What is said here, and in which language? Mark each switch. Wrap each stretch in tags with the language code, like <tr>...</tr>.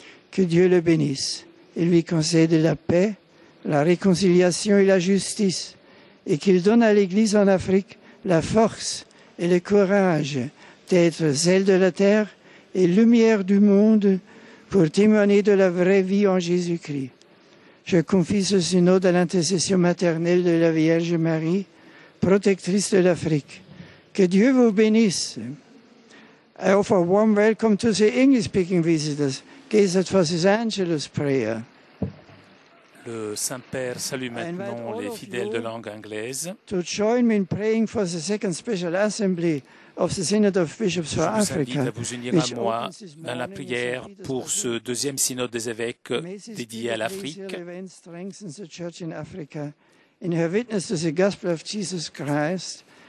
<fr>Que Dieu le bénisse et lui concède la paix, la réconciliation et la justice, et qu'il donne à l'Église en Afrique la force et le courage d'être zèle de la terre et lumière du monde pour témoigner de la vraie vie en Jésus-Christ. Je confie ce synode à l'intercession maternelle de la Vierge Marie, protectrice de l'Afrique. Que Dieu vous bénisse.</fr> <en>I offer a warm welcome to the English-speaking visitors, gathered for this Angelus prayer.</en> <fr>Le Saint-Père salue maintenant les fidèles de langue anglaise.</fr> <en>To join me in praying for the second special assembly of the Synod of Bishops for Africa.</en> <fr>Je vous invite à vous unir à moi dans la prière pour ce deuxième synode des évêques dédié à l'Afrique.</fr> <en>May this event strengthen the Church in Africa in her witness to the Gospel of Jesus Christ</en>